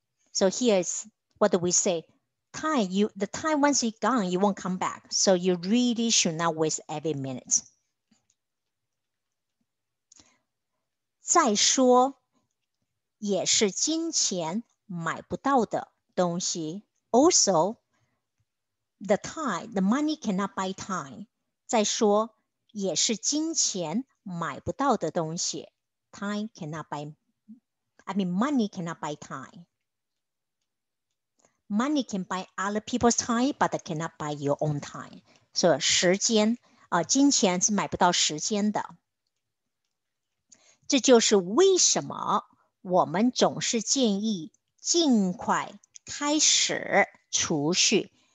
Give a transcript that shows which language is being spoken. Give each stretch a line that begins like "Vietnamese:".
English: So here is what we say: time, you the time once it's gone, you won't come back. So you really should not waste every minute.
Chinese: 再说，也是金钱买不到的东西。
English: Also, the time, the money cannot buy time.
Chinese: 再说。也是金钱买不到的东西。
English: time cannot buy, I mean, money cannot buy time. Money can buy other people's time, but cannot buy your own time. So,
Chinese: 时间，金钱是买不到时间的。这就是为什么我们总是建议尽快开始储蓄。